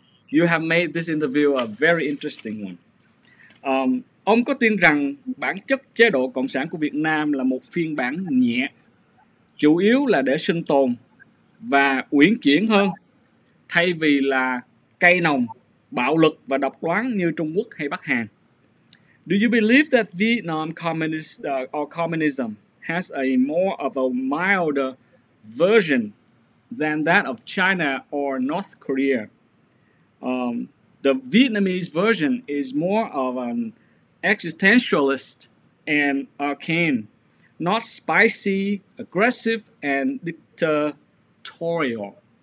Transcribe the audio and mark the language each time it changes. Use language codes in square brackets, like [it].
[en] You have made this interview a very interesting one. [vi] Ông có tin rằng bản chất chế độ Cộng sản của Việt Nam là một phiên bản nhẹ, chủ yếu là để sinh tồn và uyển chuyển hơn, thay vì là cay nồng, bạo lực và độc đoán như Trung Quốc hay Bắc Hàn? [en] Do you believe that Vietnam communist or communism has a more of a milder version than that of China or North Korea? The Vietnamese version is more of an existentialist and arcane, not spicy, aggressive, and dictatorial.